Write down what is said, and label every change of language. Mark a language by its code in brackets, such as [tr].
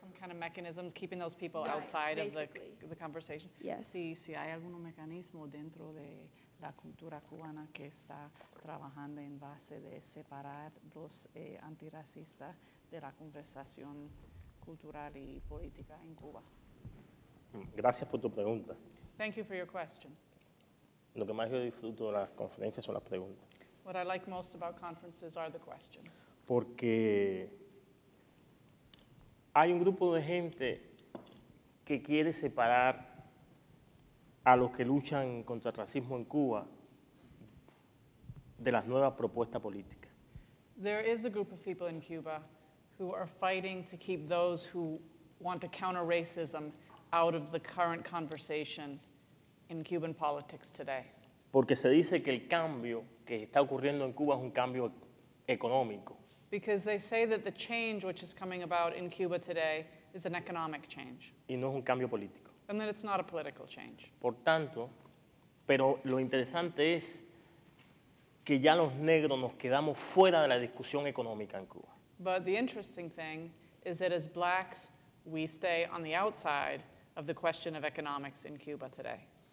[en] kind of mechanisms keeping those people outside of the conversation? Yes. [es] Sí, sí, hay algún mecanismo dentro de la cultura cubana que está trabajando en base de separar los antirracistas de la conversación cultural y política en Cuba. Gracias por tu pregunta. [en] Thank you for your question. [es] Lo que más yo disfruto de las conferencias son las preguntas. [en] What I like most about conferences are the questions. [es] Porque hay un grupo de gente que quiere separar a los que luchan contra el racismo en Cuba de las nuevas propuestas políticas. [en] There is a group of people in Cuba who are fighting to keep those who want to counter racism out of the current conversation in Cuban politics today. [es] Porque se dice que el cambio que está ocurriendo en Cuba es un cambio económico. [en] Because they say that the change which is coming about in Cuba today is an economic change. [es] Y no es un cambio político. [en] And that it's not a political change. [es] Por tanto, pero lo interesante es que ya los negros nos quedamos fuera de la discusión económica en Cuba. [en] But the interesting thing is that as blacks, we stay on the outside of the question of economics in Cuba today.